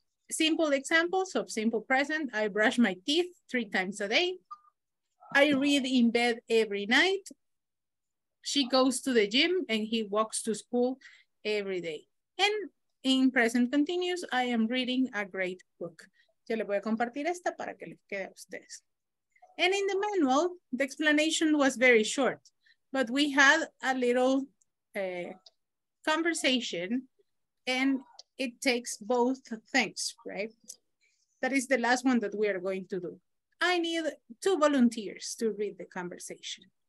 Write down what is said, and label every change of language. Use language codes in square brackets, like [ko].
[en] Simple examples of simple present. I brush my teeth 3 times a day. I read in bed every night. She goes to the gym and he walks to school every day. And in present continuous, I am reading a great book. [es] Yo le voy a compartir esta para que les quede a ustedes. [en] And in the manual, the explanation was very short, but we had a little conversation and it takes both things, right? That is the last one that we are going to do. I need 2 volunteers to read the conversation.